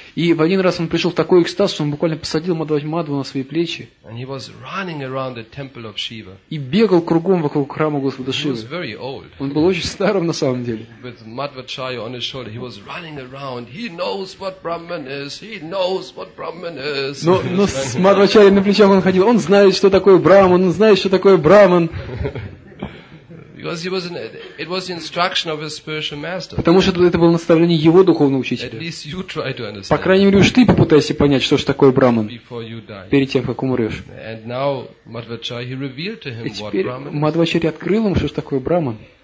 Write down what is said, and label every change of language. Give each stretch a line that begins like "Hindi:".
Russian: И в один раз он пришел в такой экстаз, что он буквально посадил Мадхву на свои плечи.
English: And he was running around the temple of Shiva.
Russian: И бегал кругом вокруг храма Господа Шивы.
English: He was very old.
Russian: Он был очень старым на самом деле.
English: With Мадхвачарья on his shoulder, he was running around. He knows what Brahman is. He knows what Brahman is.
Russian: Но с Мадхвачарья на плечах он ходил. Он знает, что такое Брахман. Он знает, что такое Брахман.
English: Because he was in, it was the instruction of his spiritual master.
Russian: Потому что это было наставление его духовного учителя.
English: At least you try to understand.
Russian: По крайней мере, уж ты попытайся понять, что же такое Брахман.
English: Before you die.
Russian: Перед тем, как умрешь.
English: And now Мадхвачарья, he revealed to him what Brahman.
Russian: И теперь Мадхвачарья открыл ему, что же такое Брахман.